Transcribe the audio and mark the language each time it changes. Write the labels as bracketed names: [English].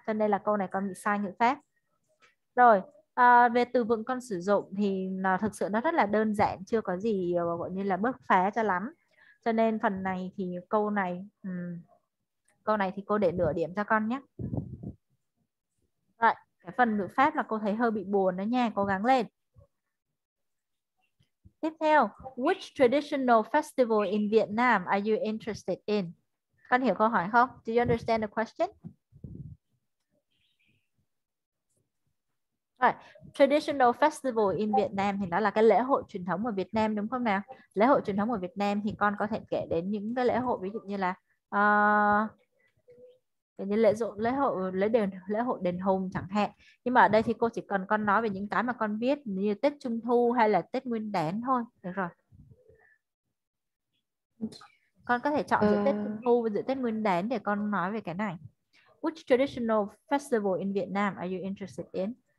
[Vietnamese] Cho nên là câu này con bị sai ngữ pháp. Rồi. Về từ vựng con sử dụng thì thực sự nó rất là đơn giản, chưa có gì gọi như là bứt phá cho lắm. Cho nên phần này thì câu này thì cô để nửa điểm cho con nhé. Rồi, cái phần ngữ pháp là cô thấy hơi bị buồn đó nha, cố gắng lên. Tiếp theo, [English] which traditional festival in Vietnam are you interested in? [Vietnamese] Con hiểu câu hỏi không? [English] Do you understand the question? Right. Traditional festival in Vietnam [Vietnamese] thì đó là cái lễ hội truyền thống ở Việt Nam đúng không nào? Lễ hội truyền thống ở Việt Nam thì con có thể kể đến những cái lễ hội ví dụ như là như lễ dỗ, lễ hội đền Hùng chẳng hạn. Nhưng mà ở đây thì cô chỉ cần con nói về những cái mà con biết như Tết Trung Thu hay là Tết Nguyên Đán thôi. Được rồi. Con có thể chọn giữa Tết Trung Thu và giữa Tết Nguyên Đán để con nói về cái này. [English] Which traditional festival in Vietnam are you interested in?